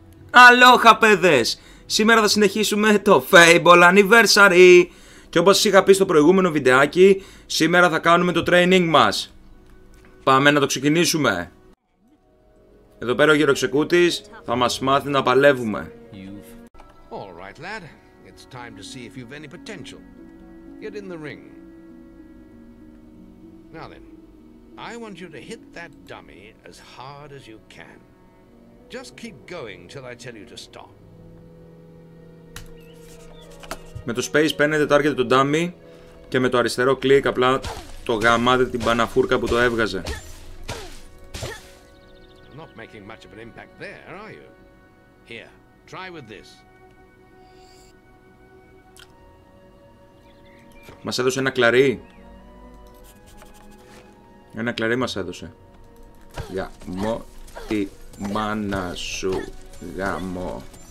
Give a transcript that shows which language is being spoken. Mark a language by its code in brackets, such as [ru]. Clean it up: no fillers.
[el] Αλόχα παιδες, σήμερα θα συνεχίσουμε το Fable Anniversary. Και όπως είχα πει στο προηγούμενο βιντεάκι, σήμερα θα κάνουμε το training μας. Πάμε να το ξεκινήσουμε. Εδώ πέρα ο γυροξεκούτης θα μας μάθει να παλεύουμε. [en] All right, lad. It's time to see if you've any potential. Get in the ring. Now then, I want you to hit that dummy as hard as you can. Just keep going till I tell you to stop. [el] Με το space παίρνετε target του dummy και με το αριστερό click απλά το γαμάτε την παναφούρκα που το έβγαζε. [en] Not making much of an impact there, are you? Here, try with this. [el] Μας έδωσε ένα κλαρί. Ένα κλαρί μας έδωσε. Για μο τη μάνα σου γαμό.